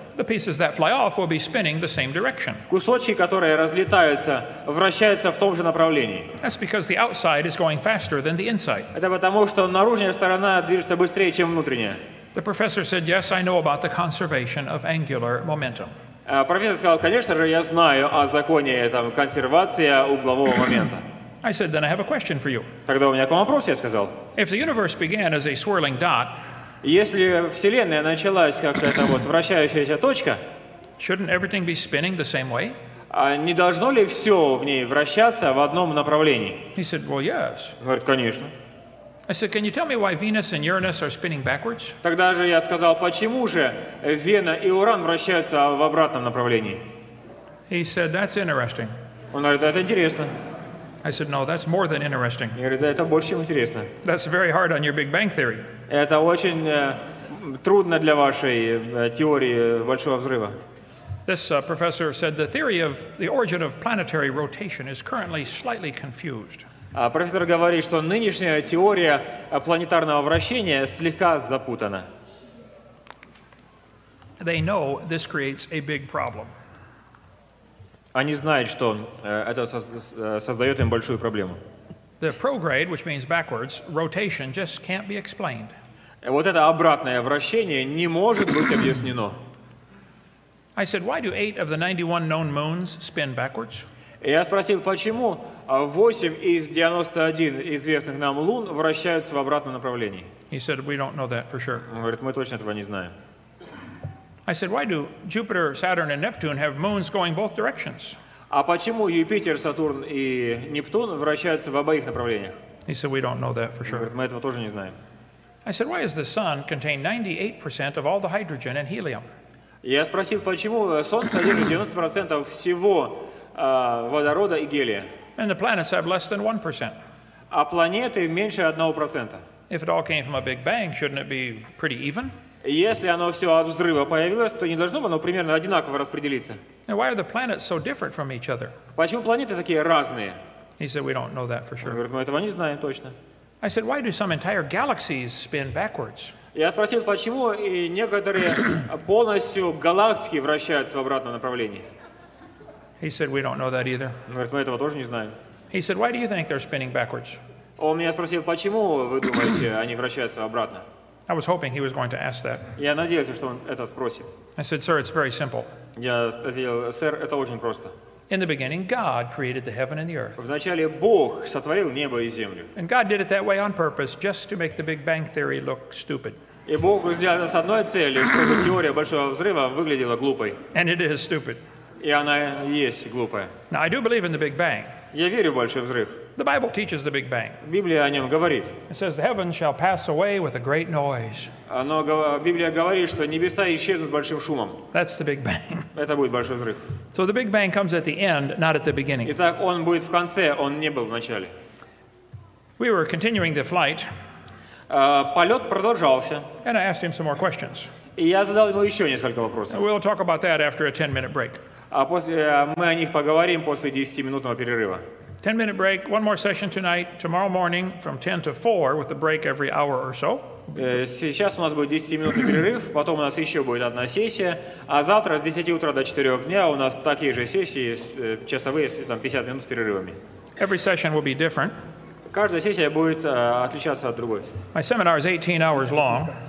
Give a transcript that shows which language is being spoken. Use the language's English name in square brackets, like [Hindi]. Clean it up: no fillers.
[English] the pieces that fly off will be spinning the same direction. [Russian] Кусочки, которые разлетаются, вращаются в том же направлении. [English] That's because the outside is going faster than the inside. [Russian] Это потому, что наружная сторона движется быстрее, чем внутренняя. [English] The professor said, "Yes, I know about the conservation of angular momentum." [Russian] Профессор сказал, конечно же, я знаю о законе там консервации углового момента. [English] I said, "Then I have a question for you." [Russian] Тогда у меня к вам вопрос, я сказал. [English] If the universe began as a swirling dot, [Russian] если вселенная началась как эта вот вращающаяся точка, [English] shouldn't everything be spinning the same way? [Russian] Не должно ли все в ней вращаться в одном направлении? [English] He said, "Well, yes." [Russian] Говорит, конечно. [English] I said, "Can you tell me why Venus and Uranus are spinning backwards?" [Russian] Тогда же я сказал, почему же Вена и Уран вращаются в обратном направлении? [English] He said, "That's interesting." [Russian] Он говорит, это интересно. [English] I said, "No, that's more than interesting." [Russian] Я говорю, да, это больше, чем интересно. [English] That's very hard on your Big Bang theory. [Russian] Это очень трудно для вашей теории большого взрыва. [English] This professor said the theory of the origin of planetary rotation is currently slightly confused. [Russian] Профессор говорит, что нынешняя теория планетарного вращения слегка запутана. [English] They know this creates a big problem. [Russian] Они знают, что это создает им большую проблему. [English] The prograde, which means backwards, rotation just can't be explained. [Russian] Вот это обратное вращение не может быть объяснено. [English] I said, why do 8 of the 91 known moons spin backwards? [Russian] Я спросил, почему 8 из 91 известных нам лун вращаются в обратном направлении? [English] He said, we don't know that for sure. [Russian] Он говорит, мы точно этого не знаем. [English] I said, why do Jupiter, Saturn and Neptune have moons going both directions? [Russian] А почему Юпитер, Сатурн и Нептун вращаются в обоих направлениях? [English] He said, we don't know that for sure. [Russian] Он говорит, мы этого тоже не знаем. [English] I said, why does the sun contain 98% of all the hydrogen and helium? [Russian] Я спросил, почему Солнце содержит 90% всего водорода и гелия. [English] And the planets have less than 1%. [Russian] А планеты меньше 1%. [English] If it all came from a big bang, shouldn't it be pretty even? [Russian] Если оно все от взрыва появилось, то не должно бы оно примерно одинаково распределиться. [English] And why are the planets so different from each other? [Russian] Почему планеты такие разные? [English] He said, we don't know that for sure. [Russian] Он говорит, мы этого не знаем точно. [English] I said, why do some entire galaxies spin backwards? [Russian] Я спросил, почему и некоторые полностью галактики вращаются в обратном направлении? [English] He said, we don't know that either. [Russian] Говорит, мы этого тоже не знаем. [English] He said, why do you think they're spinning backwards? [Russian] Он меня спросил, почему вы думаете, они вращаются обратно? [English] I was hoping he was going to ask that. [Russian] Я надеялся, что он это спросит. [English] I said, sir, it's very simple. [Russian] Я ответил, сэр, это очень просто. [English] In the beginning, God created the heaven and the earth. [Russian] Вначале Бог сотворил небо и землю. [English] And God did it that way on purpose, just to make the Big Bang theory look stupid. [Russian] И Бог сделал это с одной целью, чтобы теория большого взрыва выглядела глупой. [English] And it is stupid. [Russian] И она есть глупая. [English] Now, I do believe in the Big Bang. [Russian] Я верю в большой взрыв. [English] The Bible teaches the Big Bang. [Russian] Библия о нем говорит. [English] It says the heaven shall pass away with a great noise. [Russian] Оно, Библия говорит, что небеса исчезнут с большим шумом. [English] That's the Big Bang. [Russian] Это будет большой взрыв. [English] So the Big Bang comes at the end, not at the beginning. [Russian] Итак, он будет в конце, он не был в начале. [English] We were continuing the flight. [Russian] Полет продолжался. [English] And I asked him some more questions. [Russian] И я задал ему еще несколько вопросов. [English] We'll talk about that after a 10-minute break. [Russian] А после мы о них поговорим после 10-минутного перерыва. [English] 10-minute break, one more session tonight, tomorrow morning from 10 to 4 with a break every hour or so. [Russian] Сейчас у нас будет 10-минутный перерыв, потом у нас еще будет одна сессия, а завтра с 10 утра до 4 дня у нас такие же сессии, часовые, там 50 минут с перерывами. [English] Every session will be different. [Russian] Каждая сессия будет отличаться от другой. [English] My seminar is 18 hours long.